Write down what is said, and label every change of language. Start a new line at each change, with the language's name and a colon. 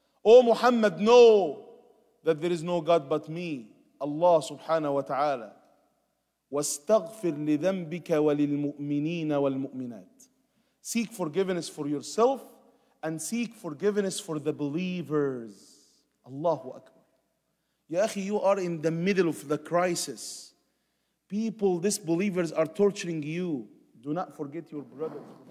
English: O Muhammad, know that there is no God but me, Allah subhanahu wa ta'ala.
Arabic: واستغفر لذنبك وللمؤمنين والمؤمنات.
English: Seek forgiveness for yourself and seek forgiveness for the believers. Allah Akbar. Ya akhi, you are in the middle of the crisis. People, disbelievers are torturing you. Do not forget your brothers.